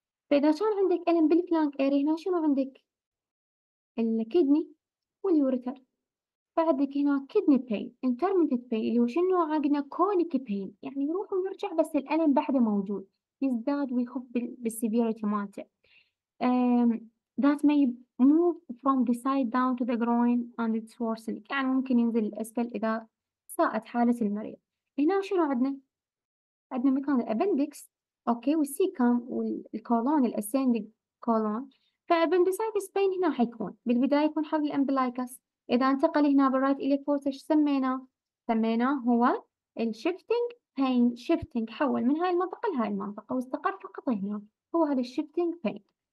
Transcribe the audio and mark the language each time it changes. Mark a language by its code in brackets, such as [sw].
[ar] فاذا كان عندك الم بالفلانك اري هنا، شنو عندك؟ الكيدني واليوريتر، بعدك هنا كيدني بين انترمنتد بين اللي هو شنو عقنا كونيك بين، يعني يروح ويرجع بس الالم بعده موجود يزداد ويخف بالسيفيريتي مالته. [en] That may move from the side down to the groin and it's worsening، [ar] يعني ممكن ينزل للأسفل إذا ساءت حالة المريض. هنا شنو عندنا؟ عندنا مكان الأبندكس، أوكي، والسيكام والكولون الأسيندنج كولون، فأبندسايتس بين هنا حيكون بالبداية يكون حول الأمبلايكس، إذا انتقل هنا بالرايت إليفورس إيش سميناه؟ سميناه هو الشيفتنج بين، شيفتنج حول من هاي المنطقة لهاي المنطقة واستقر فقط هنا، هو هذا الشيفتنج بين.